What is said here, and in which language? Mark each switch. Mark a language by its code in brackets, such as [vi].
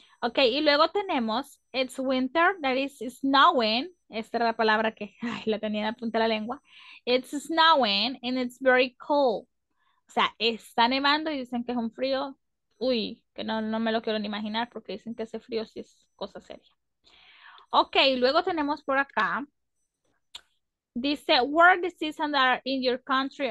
[en] Ok, [es] y luego tenemos, [en] it's winter, that is snowing. [es] Esta era la palabra que la tenía en la punta de la lengua. [en] It's snowing and it's very cold. [es] O sea, está nevando y dicen que es un frío. Uy, que no me lo quiero ni imaginar porque dicen que ese frío sí es cosa seria. Ok, luego tenemos por acá. [en] Dice, what are the seasons that are in your country?